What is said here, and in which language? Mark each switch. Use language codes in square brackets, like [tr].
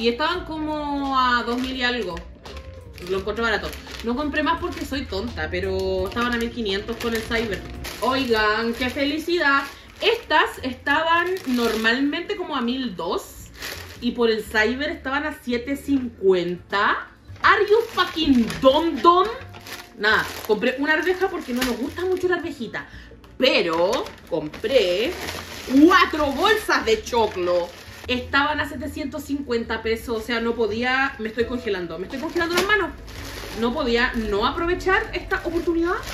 [es] Y estaban como a 2.000 y algo. Lo encontré barato. No compré más porque soy tonta, pero estaban a 1.500 con el cyber. Oigan, qué felicidad. Estas estaban normalmente como a 1.002 y por el cyber estaban a 750. [en] Are you fucking dumb dumb? [es] Nada, compré una arveja porque no nos gusta mucho la arvejita. Pero compré 4 bolsas de choclo. Estaban a 750 pesos, o sea, no podía... Me estoy congelando las manos. No podía no aprovechar esta oportunidad.